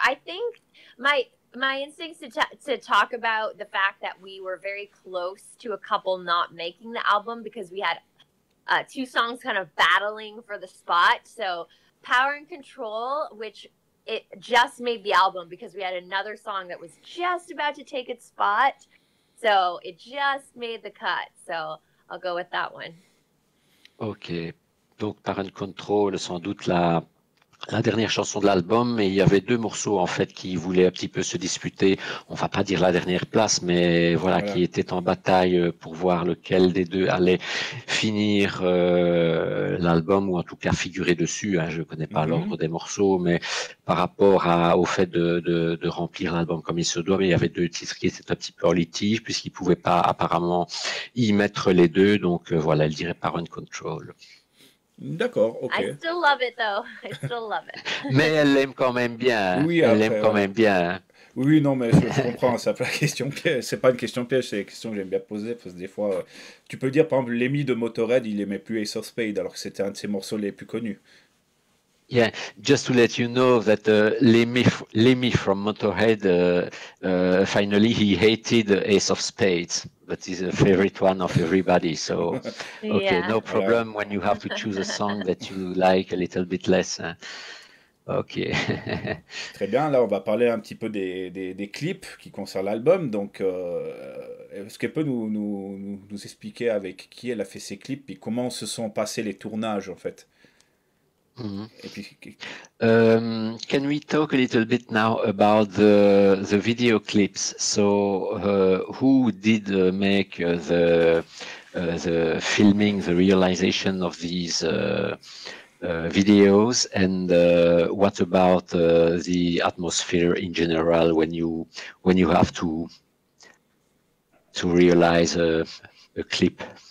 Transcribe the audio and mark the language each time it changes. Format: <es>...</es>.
<en>I think my instincts to talk about the fact that we were very close to a couple not making the album because we had two songs kind of battling for the spot. So Power and Control, which it just made the album because we had another song that was just about to take its spot. So it just made the cut. So I'll go with that one.</en> <fr>Ok, donc Parent Control, sans doute la dernière chanson de l'album, et il y avait deux morceaux en fait qui voulaient un petit peu se disputer, on va pas dire la dernière place, mais voilà, qui Voilà. étaient en bataille pour voir lequel des deux allait finir l'album, ou en tout cas figurer dessus, hein. Je ne connais pas l'ordre des morceaux, mais par rapport au fait de remplir l'album comme il se doit, mais il y avait deux titres qui étaient un petit peu en litige, puisqu'ils ne pouvaient pas apparemment y mettre les deux, donc voilà, il dirait Parent Control. D'accord, ok.</fr> <en>I still love it though. I still love</en> <fr>Mais</fr> <en>it.</en> <fr>elle l'aime quand même bien, Oui, elle l'aime après, quand ouais. même bien. Oui, non, mais je comprends, ça fait la question piège. C'est pas une question piège, c'est une question que j'aime bien poser. Parce que des fois, tu peux dire par exemple, Lemmy de Motorhead, il aimait plus Ace of Spades, alors que c'était un de ses morceaux les plus connus.</fr> <en>Yeah, just to let you know that Lemmy from Motorhead, finally he hated Ace of Spades, but he's a favorite one of everybody. So, okay, no problem when you have to choose a song that you like a little bit less. Okay.</en> <fr>Très bien, là on va parler un petit peu des clips qui concernent l'album. Donc, est-ce qu'elle peut nous expliquer avec qui elle a fait ses clips et comment se sont passés les tournages en fait? Et puis.</fr> <en>Can we talk a little bit now about the video clips? So, who did make the filming, the realization of these videos, and what about the atmosphere in general when you have to realize a clip?</en>